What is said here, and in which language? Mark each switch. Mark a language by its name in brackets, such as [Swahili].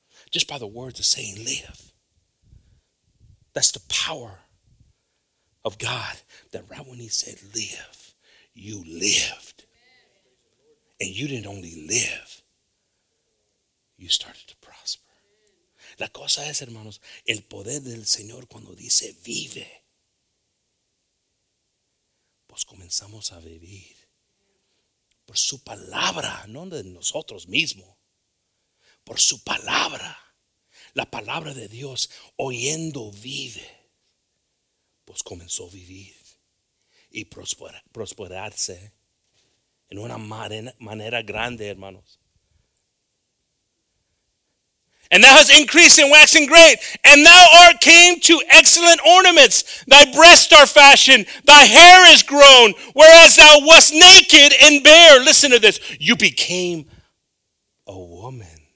[English] just by the words of saying live. That's the power of God, that right when he said live, you lived. And you didn't only live, you started to prosper. [Spanish] La cosa es, hermanos, el poder del Señor cuando dice vive. Pues comenzamos a vivir por su palabra, no de nosotros mismos. Por su palabra. La palabra de Dios, oyendo vive. Pues comenzó a vivir y prosperarse en una manera grande, hermanos. [English] And thou hast increased and waxing great, and thou art came to excellent ornaments. Thy breasts are fashioned, thy hair is grown, whereas thou wast naked and bare. Listen to this. You became a woman.